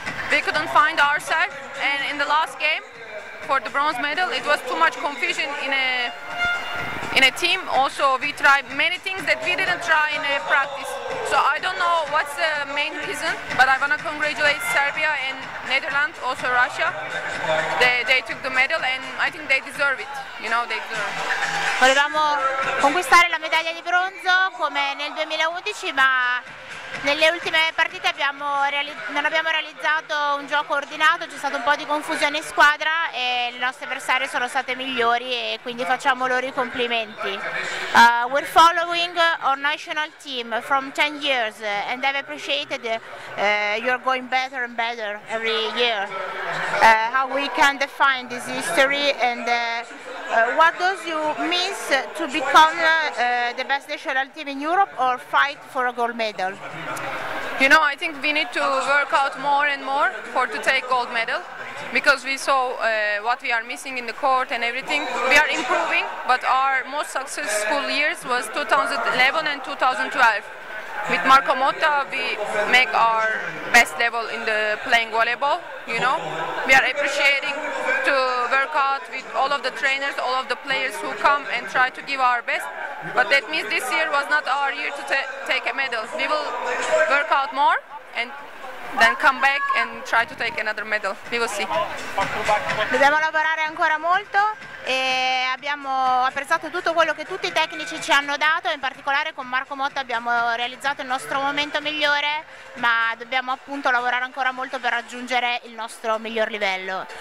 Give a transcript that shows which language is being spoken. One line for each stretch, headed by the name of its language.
English: We couldn't find ourselves. And in the last game, for the bronze medal, it was too much confusion in a team. Also, we tried many things that we didn't try in a practice. So I don't know what's the main reason, but I want to congratulate Serbia and Netherlands, also Russia. They took the medal and I think they deserve it. You know, they deserve it.
Italian: Volevamo conquistare la medaglia di bronzo come nel 2011, ma nelle ultime partite non abbiamo realizzato un gioco ordinato, c'è stato un po' di confusione in squadra e le nostre avversarie sono state migliori e quindi facciamo loro I complimenti.
English: We're following our national team from 10 years and I've appreciated you're going better and better every year. How we can define this history and what does you miss to become the best national team in Europe or fight for a gold medal? You know, I think we need to work out more and more for to take gold medal because we saw what we are missing in the court and everything. We are improving, but our most successful years was 2011 and 2012. With Marco Motta, we make our best level in the playing volleyball, you know. We are appreciating to work out with all of the trainers, all of the players who come and try to give our best. But that means this year was not our year to take a medal. We will work out more and then come back and try to take another medal. We will see.
Italian: Dobbiamo lavorare ancora molto e abbiamo apprezzato tutto quello che tutti I tecnici ci hanno dato, in particolare con Marco Motta abbiamo realizzato il nostro momento migliore, ma dobbiamo appunto lavorare ancora molto per raggiungere il nostro miglior livello.